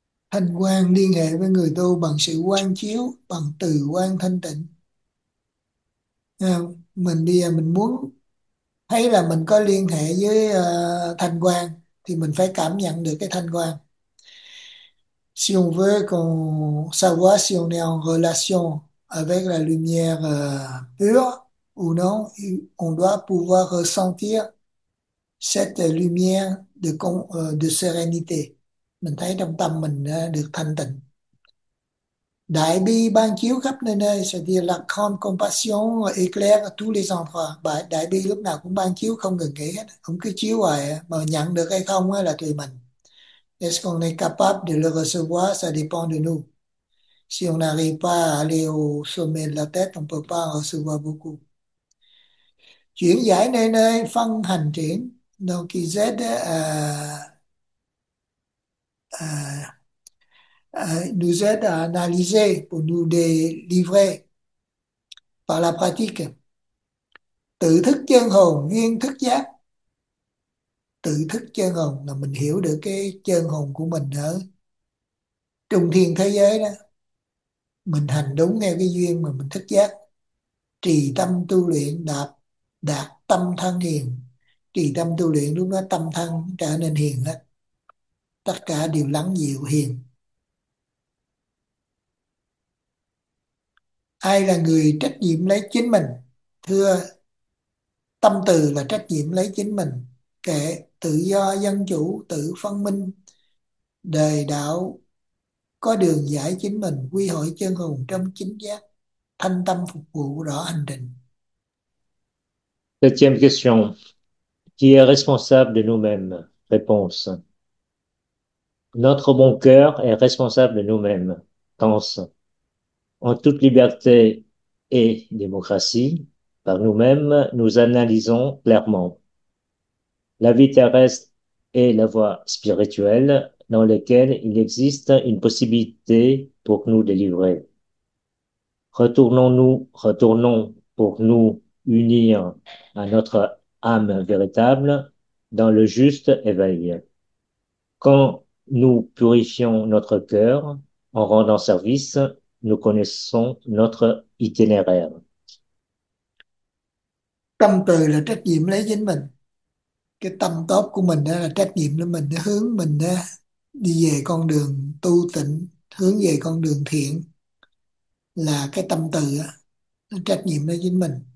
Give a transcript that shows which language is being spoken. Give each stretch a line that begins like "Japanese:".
Vietnamese: Thanh quan liên hệ với người tu bằng sự quan chiếu, bằng từ quan thanh tịnh. À, mình đi mình muốn thấy là mình có liên hệ với thanh quan thì mình phải cảm nhận được cái thanh quan.
French: Si on veut qu'on savoir si on est en relation avec la lumière pure ou non, on doit pouvoir ressentir cette lumière de sérénité.
Vietnamese: Mình thấy trong tâm mình được thanh tịnh. Đại bi ban chiếu khắp nơi nơi,
French: c'est-à-dire la grande compassion éclaire à tous les endroits.
Vietnamese: Đại bi lúc nào cũng ban chiếu không ngừng nghỉ hết, không cứ chiếu hoài mà nhận được hay không là tùy mình.
French: Est-ce qu'on est capable de le recevoir, ça dépend de nous. Si on n'arrive pas à aller au sommet de la tête, on ne peut pas en recevoir beaucoup.
Vietnamese: Chuyển giải nơi nơi, phân hành triển.
French: Donc, nous aide à analyser pour nous délivrer par la pratique.
Vietnamese: Tự thức chân hồn, duyên thức giác. Tự thức chân hồn là mình hiểu được cái chân hồn của mình ở trung thiên thế giới đó. Mình hành đúng theo cái duyên mà mình thức giác. Trì tâm tu luyện đạt tâm thân hiền. Trì tâm tu luyện lúc đó tâm thân trở nên hiền hết. Tất cả đều lắng dịu hiền. Ai là người trách nhiệm lấy chính mình? Thưa, tâm từ là trách nhiệm lấy chính mình. Kệ tự do, dân chủ, tự phân minh. Đời đạo có đường giải chính mình, quy hội chân hồn trong chính giác, thanh tâm phục vụ rõ hành trình.
French: Septième question. Qui est responsable de nous-mêmes? Réponse. Notre bon cœur est responsable de nous-mêmes. Tense. En toute liberté et démocratie, par nous-mêmes, nous analysons clairement la vie terrestre et la voie spirituelle dans lesquelles il existe une possibilité pour nous délivrer. Retournons pour nous unir à notre âme véritable dans le juste éveil. Quand nous purifions notre cœur en rendant service, nous connaissons notre itinéraire.
Vietnamese: Tâm từ là trách nhiệm lấy chính mình. Cái tâm tốt của mình đó là trách nhiệm để mình hướng mình đi về con đường tu tịnh, hướng về con đường thiện là cái tâm từ á, nó trách nhiệm với chính mình.